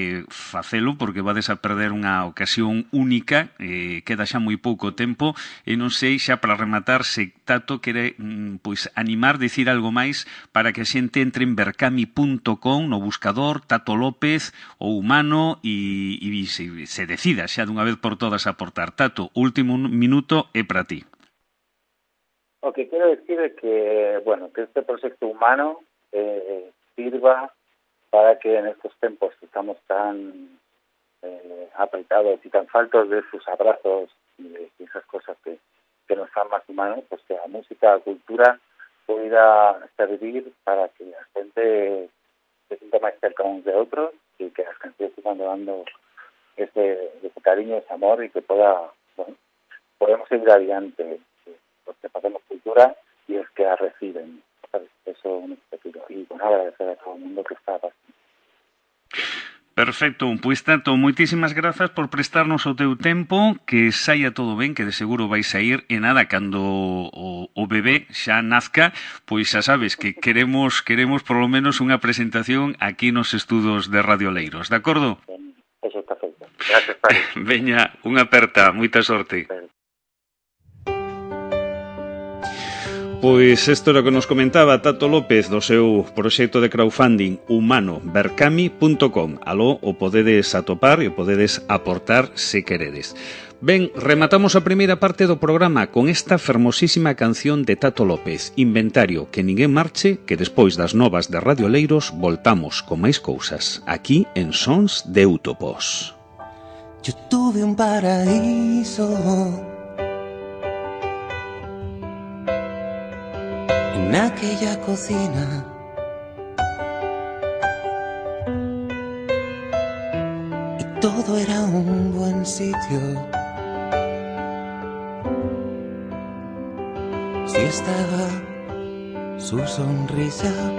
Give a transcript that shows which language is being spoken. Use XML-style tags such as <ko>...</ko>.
<gl>facelo, porque vades a perder unha ocasión única, queda xa moi pouco tempo, e non sei, xa para rematar, se Tato quere pois, animar, dicir algo máis, para que a xente entre en verkami.com, no buscador, Tato López, o humano, e se decida xa dunha vez por todas aportar. Tato, último minuto é para ti. O que quero decir é que, bueno, que este proxecto humano sirva para que en estos tempos que estamos tan</gl> <es>apretados e tan faltos de sus abrazos e esas cosas que nos fan más humanos, pues que a música, a cultura pueda servir para que a gente se sienta más cerca uns de outros e que as canciones que van dando ese cariño, ese amor y que pueda, bueno, podemos ir adelante porque hacemos cultura y es que la reciben. Eso es un objetivo. Y bueno, agradecer a todo el mundo que está pasando.</es> <gl>Perfecto, pois Tato, moitísimas grazas por prestarnos o teu tempo, que saia todo ben, que de seguro vais a ir, e nada, cando o bebé xa nazca, pois xa sabes que queremos</gl> <es>por lo menos</es> <gl>unha presentación aquí nos estudos de Radio Leiros, de acordo? Eso está feito. Gracias, pai. Veña, unha aperta, moita sorte. Pois isto era o que nos comentaba Tato López do seu proxecto de crowdfunding humano, verkami.com. Aló, o podedes atopar e o podedes aportar se queredes. Ben, rematamos a primeira parte do programa con esta fermosísima canción de Tato López, Inventario, que ninguén marche, que despois das novas de Radio Leiros voltamos con máis cousas, aquí en Sons de Utopos.</gl> <es>Yo tuve un paraíso, en aquella cocina y todo era un buen sitio si estaba su sonrisa.</es>